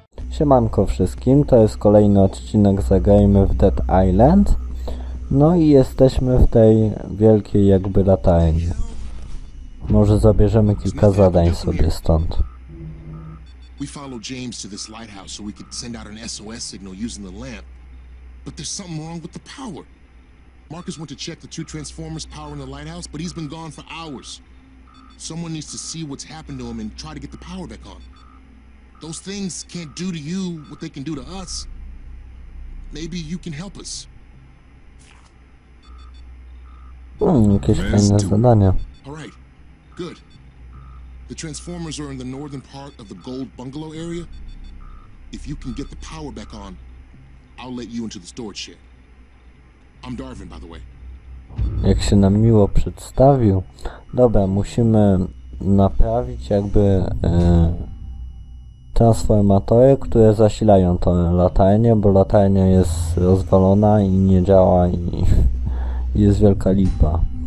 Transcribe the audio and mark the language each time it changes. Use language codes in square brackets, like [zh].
[pl] Siemanko wszystkim, to jest kolejny odcinek Zagrajmy w Dead Island. No i jesteśmy w tej wielkiej jakby latarni. Może zabierzemy kilka zadań sobie stąd. [en] We followed James to this lighthouse so we could send out an SOS signal using the lamp. But there's something wrong with the power. Marcus went to check the two transformers powering the lighthouse, but he's been gone for hours. Someone needs to see what's happened to him and try to get the power back on. Those things can't do to you what they can do to us. Maybe you can help us. [pl] Jakieś fajne zadania. [en] All right. Good. The transformers are in the northern part of the gold bungalow area. If you can get the power back on, I'll let you into the storage shed. I'm Darwin, by the way. [pl] Jak się nam miło przedstawił. Dobra, musimy naprawić jakby transformatory, które zasilają tę latarnię, bo latarnia jest rozwalona i nie działa i jest wielka lipa.